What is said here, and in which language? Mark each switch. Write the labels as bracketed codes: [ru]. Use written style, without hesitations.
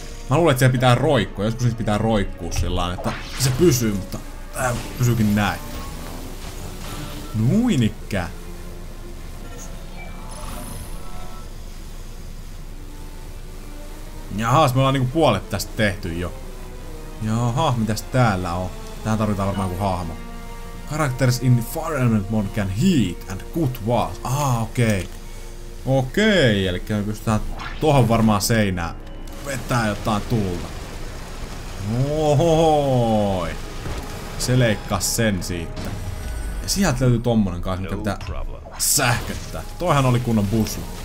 [fi] Mä luulen, että siellä pitää roikkua. Joskus siis pitää roikkua sillain, että se pysyy, mutta pysyykin näin. Nuinikkä. Jahas, me ollaan niinku puolet tästä tehty jo. Jaha, mitäs täällä on? Tähän tarvitaan varmaan joku hahmo. [en] Characters in Fire Element mode can heat and cut walls. [fi] Ah, okei. Okei, elikkä me pystytään tohon varmaan seinään vetää jotain tulta. Ohohoi. Se leikkaa sen siitä. Ja sieltä löytyy tommonen kai, mikä pitää sähköttää. Toihan oli kunnon busu.